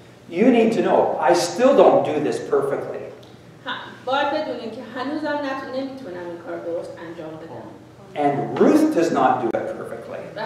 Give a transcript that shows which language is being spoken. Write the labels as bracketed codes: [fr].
[en] You need to know, I still don't do this perfectly. [fa] باید بدونین که هنوزم نمیتونم این کار درست انجام بدم. [en] And Ruth does not do it perfectly.